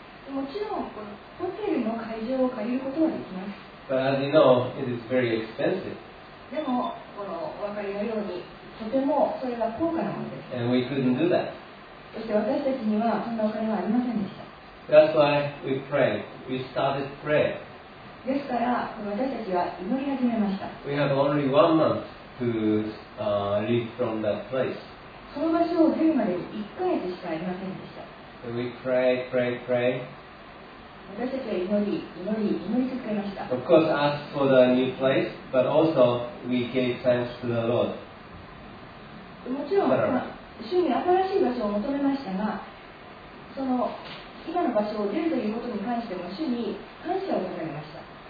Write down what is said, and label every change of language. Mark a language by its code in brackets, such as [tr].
[ja] もちろんこのホテルの会場を借りることはできます。 [en] But as you know, it is very expensive. [ja] でもこのお分かりのようにとてもそれは高価なものです。 [en] And we couldn't do that. [ja] そして私たちにはそんなお金はありませんでした。 [en] That's why we prayed. We started prayer. [ja] ですから私たちは祈り始めました。 [en] We have only 1 month to leave from that place. [ja] その場所を出るまでに1ヶ月しかありませんでした。 [en] So we pray. [ja] 私たちは祈り続けました。 [en] Of course, ask for the new place, but also we gave thanks to the Lord. [ja] もちろん、主に新しい場所を求めましたが、その今の場所を出るということに関しても主に感謝を捧げました。